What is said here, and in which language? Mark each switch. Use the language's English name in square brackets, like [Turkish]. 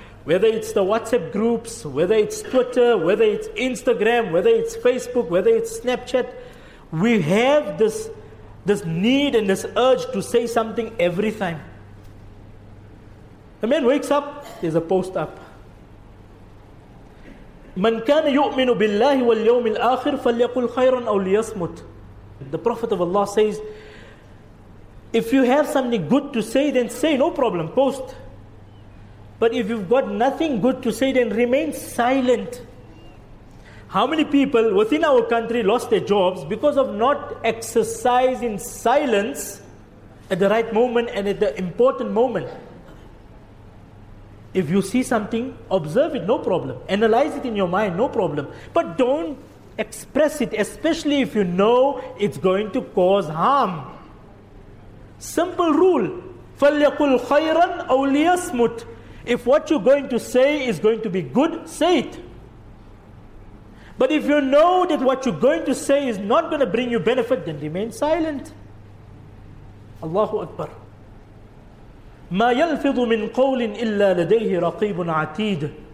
[English] Whether it's the WhatsApp groups, whether it's Twitter, whether it's Instagram, whether it's Facebook, whether it's Snapchat, we have this need and this urge to say something every time. A man wakes up, there's a post up. [Arabic] من كان يؤمن بالله واليوم الآخر فليقل خيرا أو ليصمت. [English] The Prophet of Allah says, if you have something good to say, then say, no problem, post. But if you've got nothing good to say, then remain silent. How many people within our country lost their jobs because of not exercising silence at the right moment and at the important moment? If you see something, observe it, no problem. Analyze it in your mind, no problem. But don't express it, especially if you know it's going to cause harm. Simple rule, [Arabic] فَلْيَقُلْ خَيْرًا أَوْ لِيَسْمُتْ. [English] If what you're going to say is going to be good, say it. But if you know that what you're going to say is not going to bring you benefit, then remain silent. [Arabic] Allahu Akbar. مَا يَلْفِظُ مِنْ قَوْلٍ إِلَّا لَدَيْهِ رَقِيبٌ عَتِيدٌ.